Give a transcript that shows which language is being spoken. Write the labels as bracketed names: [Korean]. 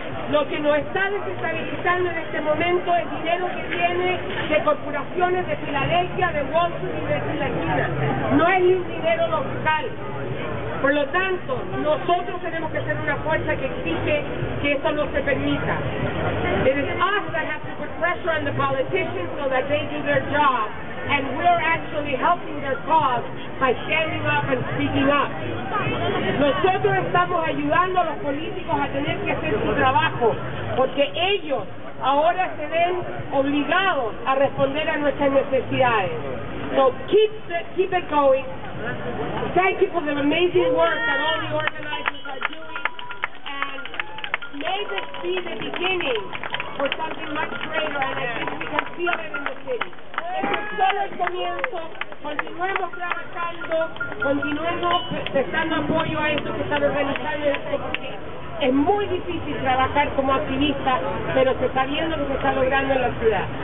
[Spanish] Lo que nos está desestabilizando en este momento es dinero que viene de corporaciones de Filadelfia, de Wall Street y de China. No es ni un dinero local. Por lo tanto, nosotros tenemos que ser una fuerza que exige que eso no se permita. [English] It is us that have to put pressure on the politicians so that they do their job. And we're actually helping their cause by standing up and speaking up. [Spanish] Nosotros estamos ayudando a los políticos a tener que hacer su trabajo, porque ellos ahora se ven obligados a responder a nuestras necesidades. [English] So keep it going. Thank you for the amazing work that all the organizers are doing. And may this be the beginning for something much greater, and I think we can feel it in the city. [Spanish] Solo el comienzo, continuemos trabajando, continuemos prestando apoyo a estos que están organizando esto, porque es muy difícil trabajar como activista, pero se está viendo lo que está logrando en la ciudad.